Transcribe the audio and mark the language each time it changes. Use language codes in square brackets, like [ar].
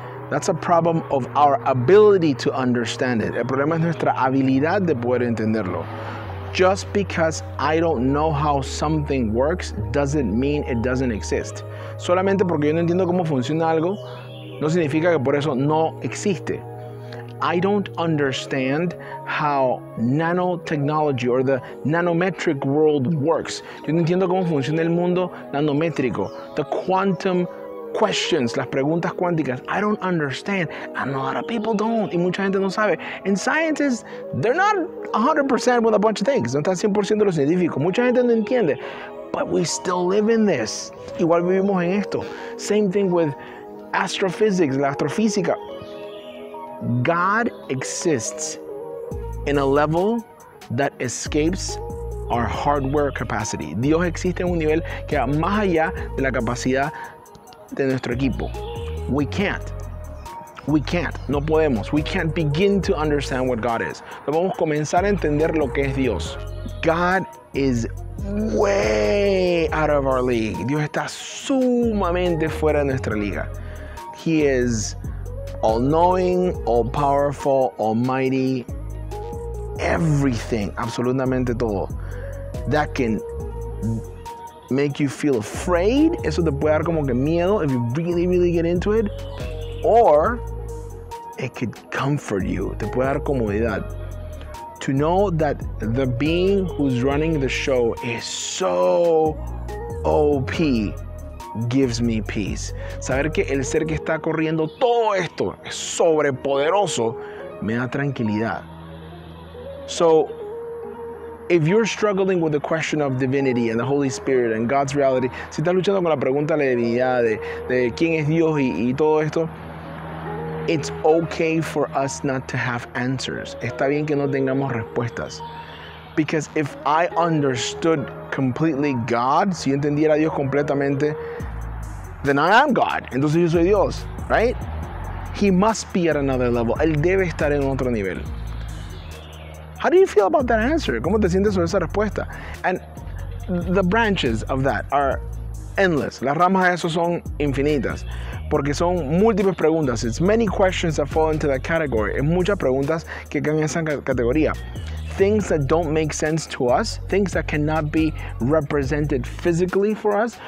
[en] That's a problem of our ability to understand it. [es] El problema es nuestra habilidad de poder entenderlo. [en] Just because I don't know how something works doesn't mean it doesn't exist. [es] Solamente porque yo no entiendo cómo funciona algo, no significa que por eso no existe. [en] I don't understand how nanotechnology or the nanometric world works. [es] Yo no entiendo cómo funciona el mundo nanométrico. [en] The quantum questions, [es] las preguntas cuánticas, [en] I don't understand, and a lot of people don't, [es] y mucha gente no sabe, [en] and scientists, they're not 100% with a bunch of things, [es] no están 100% de los científicos, mucha gente no entiende, [en] but we still live in this. [es] Igual vivimos en esto. [en] Same thing with astrophysics, [es] la astrofísica. [en] God exists in a level that escapes our hardware capacity. [es] Dios existe en un nivel que va más allá de la capacidad de nuestro equipo. [en] We can't. No podemos. We can't begin to understand what God is. [es] No vamos a comenzar a entender lo que es Dios. [en] God is way out of our league. [es] Dios está sumamente fuera de nuestra liga. [en] He is all-knowing, all-powerful, almighty, everything, [es] absolutamente todo. [en] That can make you feel afraid. [es] Eso te puede dar como que miedo [en] if you really, really get into it. Or it could comfort you. [es] Te puede dar comodidad. [en] To know that the being who's running the show is so OP gives me peace. [es] Saber que el ser que está corriendo todo esto es sobrepoderoso me da tranquilidad. [en] So, if you're struggling with the question of divinity and the Holy Spirit and God's reality, [es] si estás luchando con la pregunta de la divinidad, de quién es Dios y todo esto, [en] it's okay for us not to have answers. [es] Está bien que no tengamos respuestas. [en] Because if I understood completely God, [es] si yo entendiera a Dios completamente, [en] then I am God. [es] Entonces yo soy Dios, [en] right? He must be at another level. [es] Él debe estar en otro nivel. [en] How do you feel about that answer? [es] ¿Cómo te sientes sobre esa respuesta? [en] And the branches of that are endless. [es] Las ramas de eso son infinitas. Porque son múltiples preguntas. [en] It's many questions that fall into that category. [es] Es muchas preguntas que caen en esa categoría. [en] Things that don't make sense to us. Things that cannot be represented physically for us.